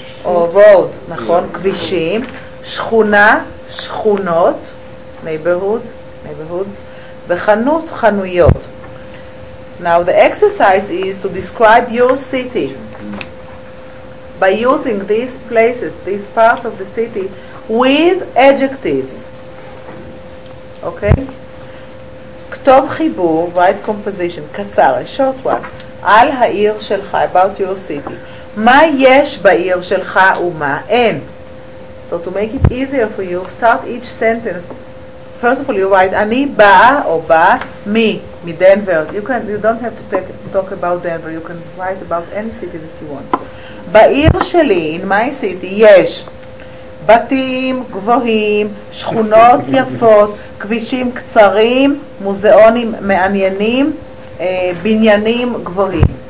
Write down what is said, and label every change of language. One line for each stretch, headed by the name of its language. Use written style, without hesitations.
English: Or road,
Hebrew: נכון, כבישים, שכונה, שכונות,
English: neighborhoods,
Hebrew: וחנות, חנויות.
English: Now the exercise is to describe your city. By using these places, these parts of the city, with adjectives. Okay?
Hebrew: כתוב חיבור,
English: write composition,
Hebrew: קצר,
English: a short one,
Hebrew: על העיר שלך,
English: about your city.
Hebrew: מה יש בעיר שלך ומה אין?
English: So to make it easier for you, start each sentence. First of all, you write,
Hebrew: אני באה או באה מי, מדנבר.
English: You don't have to talk about Denver, you can write about any city that you want.
Hebrew: בעיר שלי,
English: in my city,
Hebrew: יש בתים גבוהים, שכונות יפות, כבישים קצרים, מוזיאונים מעניינים, בניינים גבוהים.